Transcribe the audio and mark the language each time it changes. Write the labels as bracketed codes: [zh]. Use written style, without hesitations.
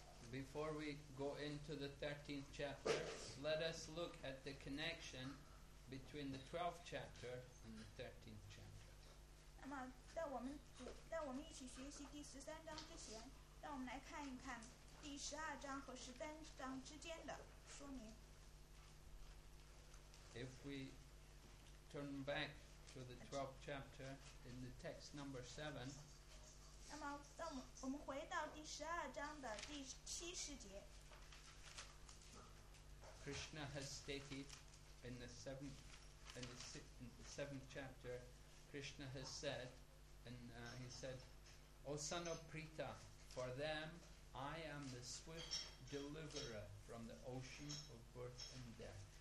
[en] Before we go into the 13th chapter, let us look at the connection between the 12th chapter and the 13th chapter. [zh] 那么在我们一起学习第13章之前, 让我们来看一看第12章和13章之间的说明。 [en] If we turn back to the 12th chapter in the text number 7, [zh] 那么我们回到第12章的第7世节, [en] Krishna has stated in the seventh chapter, Krishna has said, he said, O son of Prita, for them I am the swift deliverer from the ocean of birth and death.